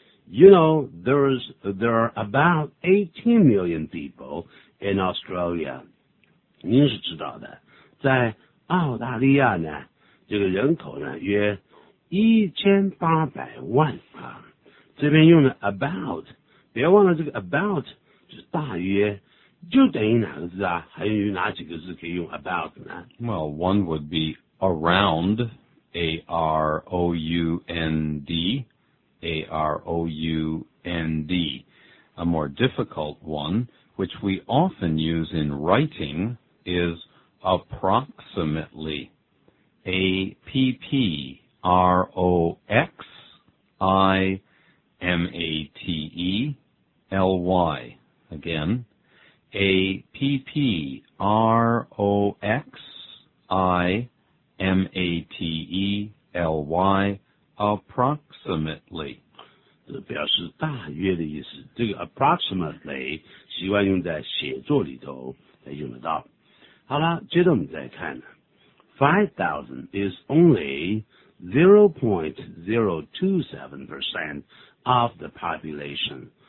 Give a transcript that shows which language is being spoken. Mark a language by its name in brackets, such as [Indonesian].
[English] You know there are about 18 million people in Australia， [Chinese] 您是知道的，在澳大利亚呢，这个人口呢约1800万啊，这边用了 about， 别忘了这个 about 就是大约，就等于哪个字啊？还有哪几个字可以用 about 呢？ [English] Well, one would be around, A R O U N D, A R O U N D. A more difficult one, which we often use in writing, is approximately, A P P. R-O-X-I-M-A-T-E-L-Y. Again, A-P-P-R-O-X-I-M-A-T-E-L-Y, approximately. [Chinese] 这表示大约的意思，这个 approximately 习惯用在写作里头才用得到。好了，接着我们再看， [English] 5,000 is only... 0.027% of the population.